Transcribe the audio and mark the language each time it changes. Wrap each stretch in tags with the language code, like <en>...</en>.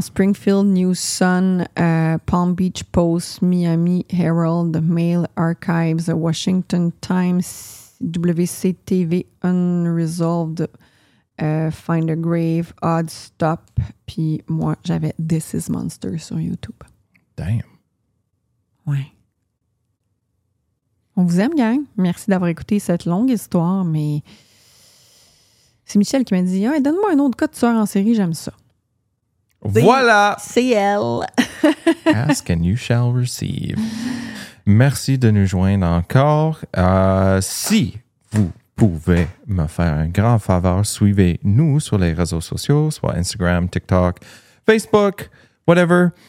<fr>Springfield News Sun, Palm Beach Post, Miami Herald, Mail Archives, Washington Times, WCTV Unresolved, Find a Grave, Odd Stop, puis moi, j'avais This is Monster sur YouTube.</fr> <en>Damn.</en> <fr>Ouais. On vous aime, gang. Merci d'avoir écouté cette longue histoire, mais c'est Michel qui m'a dit hey, « Donne-moi un autre cas de tueur en série, j'aime ça. » Voilà! C'est elle.</fr> <en>Ask and you shall receive.</en> <fr>Merci de nous joindre encore. Si vous pouvez me faire un grand faveur, suivez-nous sur les réseaux sociaux, soit Instagram, TikTok, Facebook, whatever.</fr>